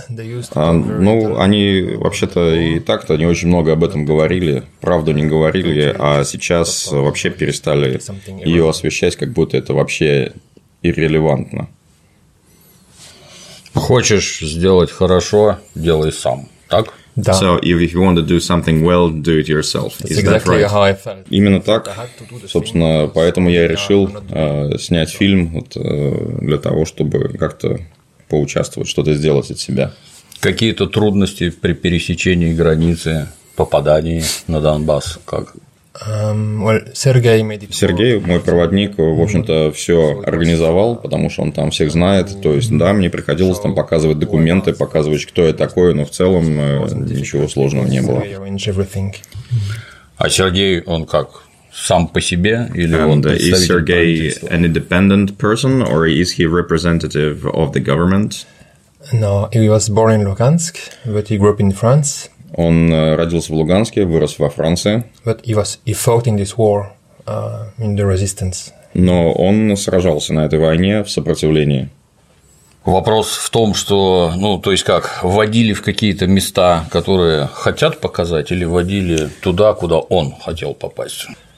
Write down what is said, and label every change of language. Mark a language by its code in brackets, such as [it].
[ru] ну, они вообще-то и так-то не очень много об этом говорили, правду не говорили, а сейчас вообще перестали ее освещать, как будто это вообще иррелевантно. Хочешь сделать хорошо – делай сам, так? Да. [en] So, if you want to do something well, do it yourself. Is exactly that right? How I felt. [ru] Именно так, собственно, поэтому я и решил снять фильм вот, для того, чтобы как-то... поучаствовать, что-то сделать от себя. Какие-то трудности при пересечении границы, попадании на Донбасс, как? Сергей, мой проводник, в общем-то, все организовал, потому что он там всех знает. То есть, да, мне приходилось там показывать документы, показывать, кто я такой, но в целом ничего сложного не было. А Сергей, он как? Сам по себе или он [en] Is Sergey an independent person or is he representative of the government? No, he was born in Lugansk, but he grew up in France. [ru] Он родился в Луганске, вырос во Франции. [en] But he fought in this war, in the resistance. [ru] Но он сражался на этой войне в сопротивлении. Вопрос в том, что, ну, то есть как, вводили в какие-то места, которые хотят показать, или вводили туда, куда он хотел попасть?